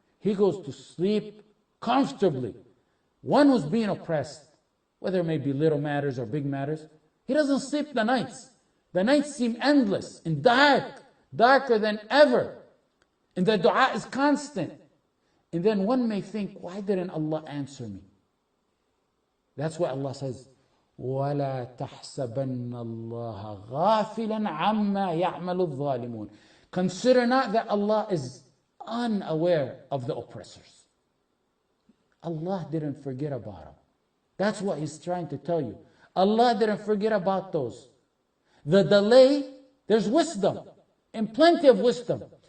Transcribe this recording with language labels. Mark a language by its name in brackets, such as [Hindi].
[English] He goes to sleep comfortably. One who's being oppressed, whether it may be little matters or big matters, he doesn't sleep the nights. The nights seem endless and dark, darker than ever. And the dua is constant. And then one may think, why didn't Allah answer me? That's why Allah says, [Arabic] ولا تحسبن الله غافلا عما يعمل الظالمون. [English] Consider not that Allah is unaware of the oppressors. Allah didn't forget about them. That's what he's trying to tell you. Allah didn't forget about those. The delay, there's wisdom and plenty of wisdom.